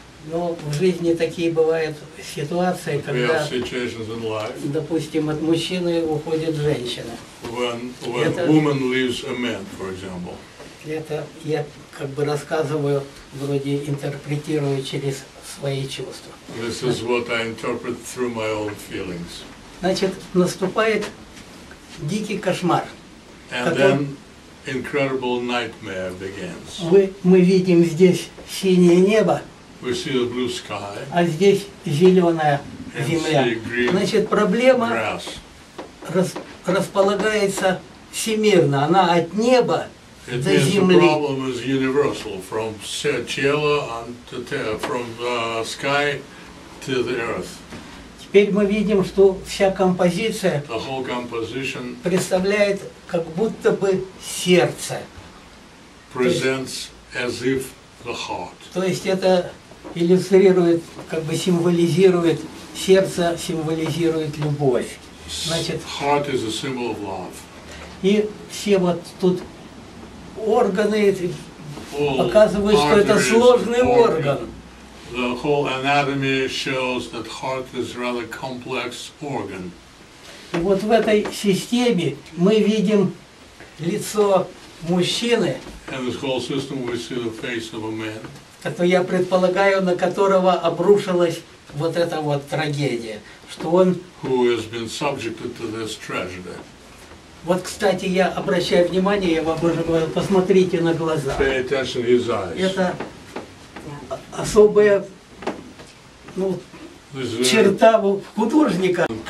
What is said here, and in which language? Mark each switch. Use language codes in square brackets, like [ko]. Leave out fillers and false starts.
[ru] Но в жизни такие бывают ситуации, когда, допустим, от мужчины уходит женщина. [en] When это, woman leaves a man, for example. [ru] Это я как бы рассказываю, вроде интерпретирую через свои чувства. [en] This is what I interpret through my own feelings. [ru] Значит, наступает дикий кошмар. [en] And then incredible nightmare begins. [ru] Мы видим здесь синее небо. [en] We see the blue sky. [ru] А здесь зеленая земля. Значит, проблема располагается всемирно. Она от неба [en] it [ru] до земли. [en] The problem is universal, from cielo to terra, from the sky to the earth. [ru] Теперь мы видим, что вся композиция [en] the whole composition [ru] представляет как будто бы сердце. [en] Presents as if the heart. [ru] То есть это иллюстрирует, как бы символизирует сердце, символизирует любовь. [en] Значит, heart is a symbol of love. [ru] И все вот тут органы показывают, что это сложный орган. [en] The whole anatomy shows that heart is a rather complex organ. [ru] И вот в этой системе мы видим лицо мужчины. [en] In this whole system we see the face of a man. [ru] Это я предполагаю, на которого обрушилась вот эта вот трагедия, что он. [en] Who has been subjected to this tragedy? [ru] Вот, кстати, я обращаю внимание, я вам уже говорил, посмотрите на глаза. [en] Pay attention to his eyes. [ru] Это особая, ну, черта художника.